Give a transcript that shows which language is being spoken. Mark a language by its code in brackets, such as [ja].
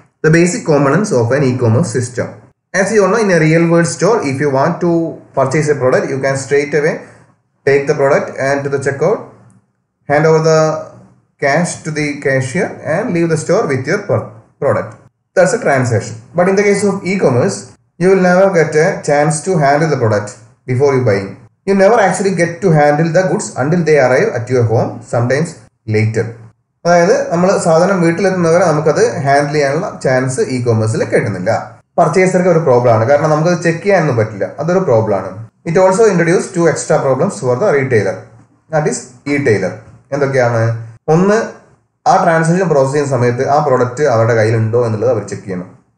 [en] The basic components of an e commerce system. As you know, in a real world store, if you want to purchase a product, you can straight away take the product and to the check out, hand over the cash to the cashier and leave the store with your product. That's a transaction. But in the case of e-commerce, you will never get a chance to handle the product before you buying. You never actually get to handle the goods until they arrive at your home, sometimes later. [ml] അതായത് നമ്മൾ സാധനം വീട്ടിലെത്തുന്നവരെ നമുക്കത് handle ചെയ്യാനുള്ള chance ഇ-കോമേഴ്സിൽ കിട്ടുന്നില്ല. പർച്ചേസർക്ക് ഒരു problem ആണ്, കാരണം നമുക്കത് ചെക്ക് ചെയ്യാനൊന്നും പറ്റില്ല, അതൊരു പ്രോബ്ലം ആണ്. [en] It also introduce to extra problems for the retailer, that is e-tailer. [ml] എന്തൊക്കെയാണ്? ഒന്ന്, ആ ട്രാൻസാക്ഷൻ പ്രോസസ് ചെയ്യുന്ന സമയത്ത് ആ പ്രോഡക്റ്റ് അവരുടെ കയ്യിലുണ്ടോ എന്നുള്ളത് അവർ ചെക്ക് ചെയ്യണം.